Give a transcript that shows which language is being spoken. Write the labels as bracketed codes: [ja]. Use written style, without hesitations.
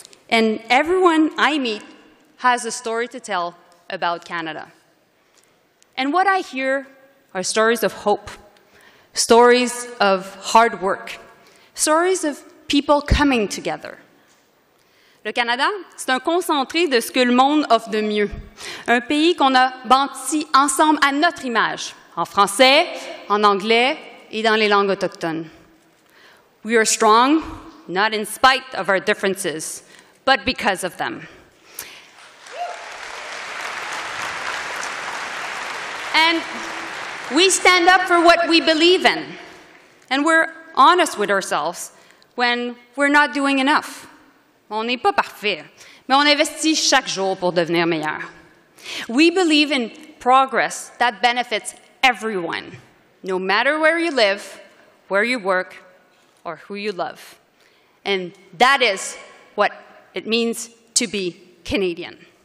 [en] And everyone I meet has a story to tell about Canada. And what I hear are stories of hope, stories of hard work, stories of people coming together. [fr] Le Canada, c'est un concentré de ce que le monde offre de mieux. Un pays qu'on a bâti ensemble à notre image, en français, en anglais et dans les langues autochtones. [en] We are strong, not in spite of our differences, but because of them. And we stand up for what we believe in. And we're honest with ourselves when we're not doing enough. [fr] On n'est pas parfait, mais on investit chaque jour pour devenir meilleur. [en] We believe in progress that benefits everyone, no matter where you live, where you work, or who you love. And that is what it means to be Canadian.